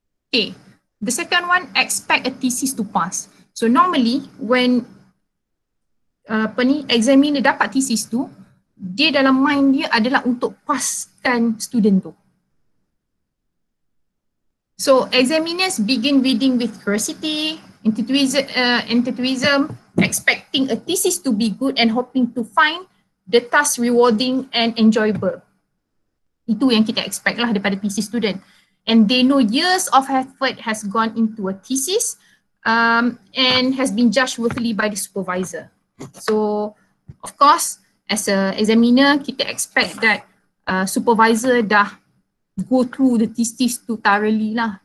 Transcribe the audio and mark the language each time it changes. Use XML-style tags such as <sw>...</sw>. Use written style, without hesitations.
<en>Okay, the second one, expect a thesis to pass. So normally when examiner</en> <ms>dapat thesis tu, dia dalam mind dia adalah untuk passkan student tu.</ms> <en>So examiners begin reading with curiosity, intuitivism, expecting a thesis to be good and hoping to find the task rewarding and enjoyable.</en> <ms>Itu yang kita expect lah daripada thesis student.</ms> <en>And they know years of effort has gone into a thesis and has been judged worthily by the supervisor. So, of course, as a examiner, kita expect that supervisor dah go through the thesis tu thoroughly lah.</en>